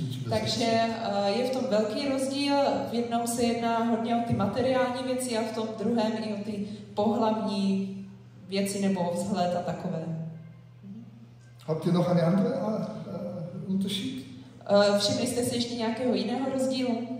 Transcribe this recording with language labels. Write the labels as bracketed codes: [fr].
[cs] Takže je v tom velký rozdíl, v jednom se jedná hodně o ty materiální věci a v tom druhém i o ty pohlavní věci nebo vzhled a takové. [de] Habt ihr noch eine andere Unterschied? [cs] Všimli jste si ještě nějakého jiného rozdílu?